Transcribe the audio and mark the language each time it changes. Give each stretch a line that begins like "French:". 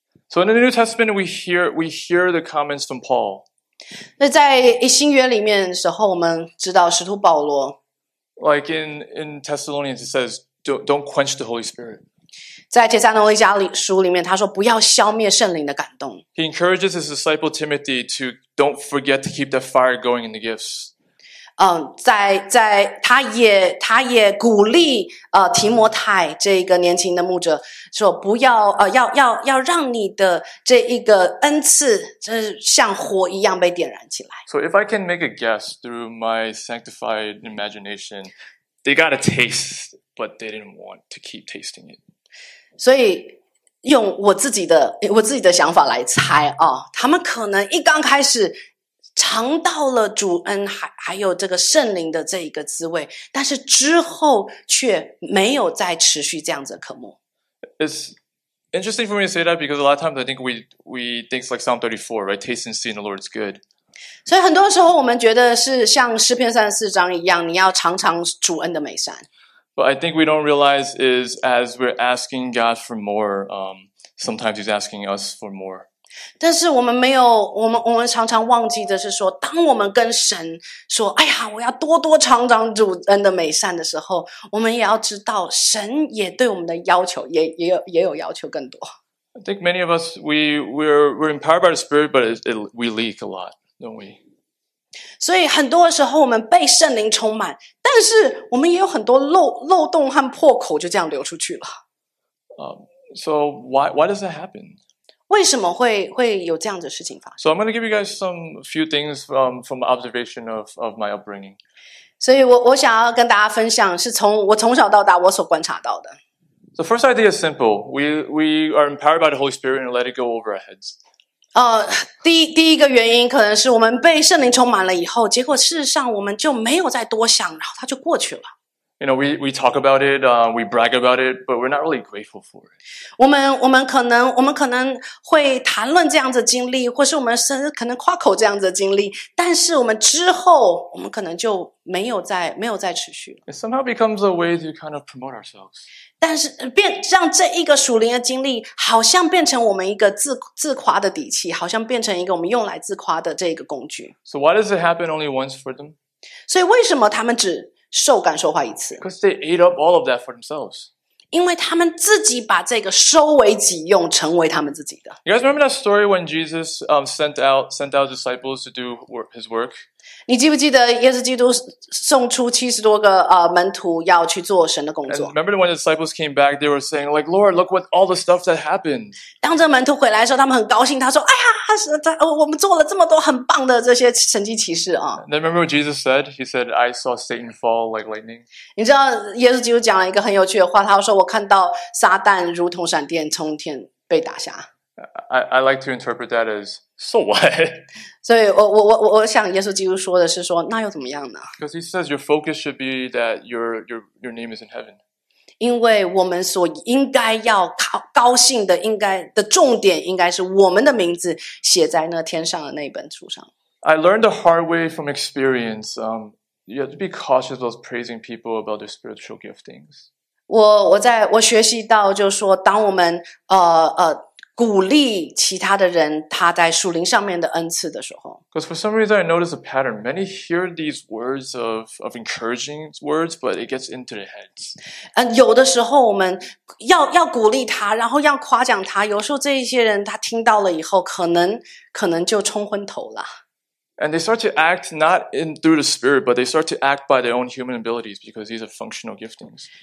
English: ？So in the New Testament, we hear the comments from Paul.
Chinese: 那在新约里面的时候，我们知道使徒保罗
English: ，like in Thessalonians, it says don't quench the Holy Spirit.
Chinese: 在帖撒罗尼迦书里面，他说不要消灭圣灵的感动。
English: He encourages his disciple Timothy to don't forget to keep the fire going in the gifts.
Chinese: 在他也鼓励提摩太这一个年轻的牧者说不要要让你的这一个恩赐这像火一样被点燃起来。
English: So if I can make a guess through my sanctified imagination, they got a taste, but they didn't want to keep tasting it.
Chinese: 所以用我自己的想法来猜啊，他们可能一刚开始。尝到了主恩还有这个圣灵的这一个滋味，但是之后却没有再持续这样子的渴慕。
English: It's interesting for me to say that because a lot of times I think we think it's like Psalm 34, right? Taste and see the Lord's good.
Chinese: 所以很多时候我们觉得是像诗篇三十四章一样，你要尝尝主恩的美善。
English: But I think we don't realize is as we're asking God for more, sometimes He's asking us for more.
Chinese: 但是我们没有我们常常忘记的是说，当我们跟神说哎呀我要多多尝尝主恩的美善的时候，我们也要知道神也对我们的要求也有要求更多。
English: I think many of us, we're empowered by the Spirit, but we leak a lot, don't we?
Chinese: 所以很多时候我们被圣灵充满，但是我们也有很多漏洞和破口就这样流出去了。
English: So why does that happen?
Chinese: 为什么会有这样的事情发生
English: ？So I'm going to give you guys a few things from observation of my upbringing.
Chinese: 所以我想要跟大家分享，是从我从小到大我所观察到的。
English: The first idea is simple. We are empowered by the Holy Spirit and let it go over our heads.
Chinese: 第一个原因可能是我们被圣灵充满了以后，结果事实上我们就没有再多想，然后它就过去了。
English: You know, we talk about it, we brag about it, but we're not really grateful for it.
Chinese: 我们可能会谈论这样子的经历，或是我们可能夸口这样子的经历，但是我们之后，我们可能就没有再持续。
English: It somehow becomes a way to kind of promote ourselves.
Chinese: 但是让这一个属灵的经历，好像变成我们一个自夸的底气，好像变成一个我们用来自夸的这个工具。
English: So why does it happen only once for them?
Chinese: 所以为什么他们只受感受化一次。
English: Because they ate up all of that for themselves.
Chinese: 因为他们自己把这个收为己用，成为他们自己的。
English: You guys remember that story when Jesus sent out disciples to do his work?
Chinese: 你记不记得耶稣基督送出七十多个门徒要去做神的工作
English: ？Remember when the disciples came back, they were saying like, "Lord, look what all the stuff that happened."
Chinese: 当这门徒回来的时候，他们很高兴，他说：“哎呀，我们做了这么多很棒的这些神迹奇事啊！”
English: Then remember what Jesus said? He said, "I saw Satan fall like lightning."
Chinese: 你知道耶稣基督讲了一个很有趣的话，他说：“我看到撒旦如同闪电从天被打下。”
English: I like to interpret that as so what.
Chinese: 所以我想耶稣基督说的是说那又怎么样呢
English: ？Because he says your focus should be that your name is in heaven.
Chinese: 因为我们所应该要高兴的，应该的重点应该是我们的名字写在那天上的那本书上。
English: I learned the hard way from experience. You have to be cautious about praising people about their spiritual giftings.
Chinese: 我学习到就是说，当我们鼓励其他的人他在属灵上面的恩赐的时候
English: Because for some reason I notice a pattern. Many hear these words of encouraging words, but it gets into their heads.
Chinese: 有的时候我们要鼓励他，然后要夸奖他。有时候这些人他听到了以后，可能就冲昏头了。
English: And they start to act not in through the spirit, but they start to act by their own human abilities because these are functional giftings.